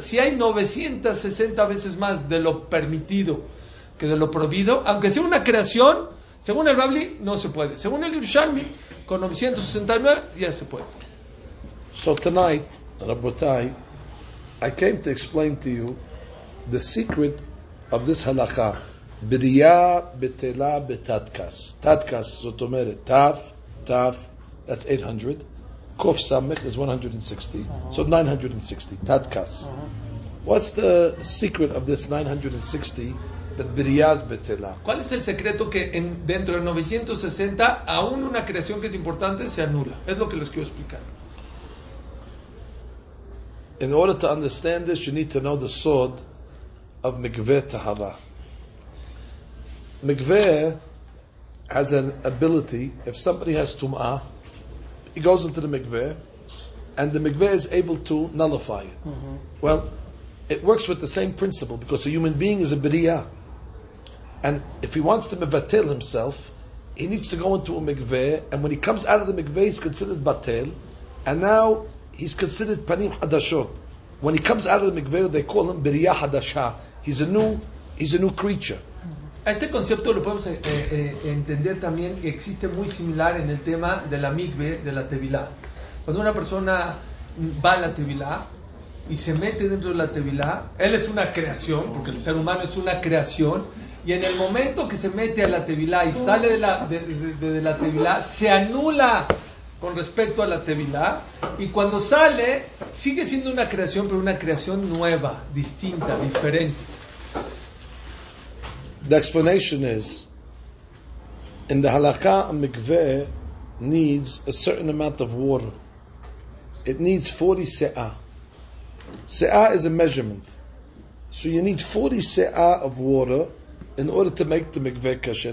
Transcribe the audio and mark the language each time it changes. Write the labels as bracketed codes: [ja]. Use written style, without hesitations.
[es] Si hay 960 veces más de lo permitido que de lo prohibido, aunque sea una creación, según el Babli no se puede. Según el Yerushalmi, con 969 ya se puede. [en] So tonight, Rabotai, I came to explain to you the secret of this halakha. [he] Briya betela betatkas. Tatkas, zot omeret, taf, [en] that's 800. Kof Samech is 160, so 960, Tatkas. What's the secret of this 960, that Biriyaz Betela? [es] ¿Cuál es el secreto que dentro de 960, aún una creación que es importante se anula? Es lo que les quiero explicar. [en] In order to understand this, you need to know the sod of Mikveh Tahara. Mikveh has an ability, if somebody has Tum'ah, he goes into the mikveh, and the mikveh is able to nullify it. Mm-hmm. Well, it works with the same principle, because a human being is a b'riyah. And if he wants to mevatel himself, he needs to go into a mikveh, and when he comes out of the mikveh, he's considered batel, and now he's considered panim hadashot. when he comes out of the mikveh, they call him Biriyah Hadasha. He's a new creature. [es] Este concepto lo podemos entender también, existe muy similar en el tema de la mikveh, de la tevilá. Cuando una persona va a la tevilá y se mete dentro de la tevilá, él es una creación, porque el ser humano es una creación, y en el momento que se mete a la tevilá y sale de la tevilá, se anula con respecto a la tevilá, y cuando sale, sigue siendo una creación, pero una creación nueva, distinta, diferente. [en] The explanation is, in the halakha, a mikveh needs a certain amount of water. It needs 40 se'ah. Se'ah is a measurement. So you need 40 se'ah of water in order to make the mikveh kasher.